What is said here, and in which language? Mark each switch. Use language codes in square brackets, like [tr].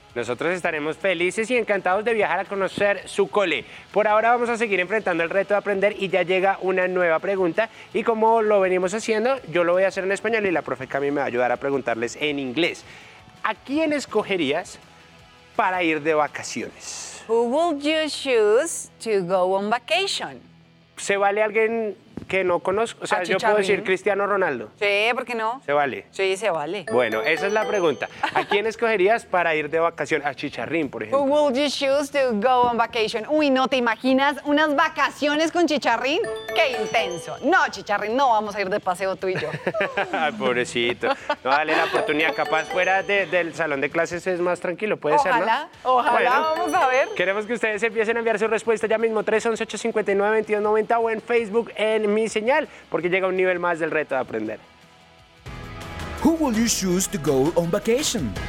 [es] Nosotros estaremos felices y encantados de viajar a conocer su cole. Por ahora vamos a seguir enfrentando el reto de aprender y ya llega una nueva pregunta. Y como lo venimos haciendo, yo lo voy a hacer en español y la profe Cami me va a ayudar a preguntarles en inglés. ¿A quién escogerías para ir de vacaciones? [en] Who would you choose to go on vacation? [es] ¿Se vale alguien que no conozco? O sea, yo puedo decir Cristiano Ronaldo. Sí, ¿por qué no? ¿Se vale? Sí, se vale. Bueno, esa es la pregunta. ¿A quién escogerías para ir de vacación? A Chicharrín, por ejemplo. [en] Who would you choose to go on vacation? [es] Uy, ¿no te imaginas unas vacaciones con Chicharrín? ¡Qué intenso! No, Chicharrín, no vamos a ir de paseo tú y yo. Ay, pobrecito. No vale la oportunidad. Capaz fuera del salón de clases es más tranquilo, puede ojalá, ser, ¿no? Ojalá, ojalá, bueno, vamos a ver. Queremos que ustedes empiecen a enviar su respuesta ya mismo, 311-859-2290 o en Facebook, en mi señal, porque llega un nivel más del reto de aprender. [en] Who will you choose to go on vacation?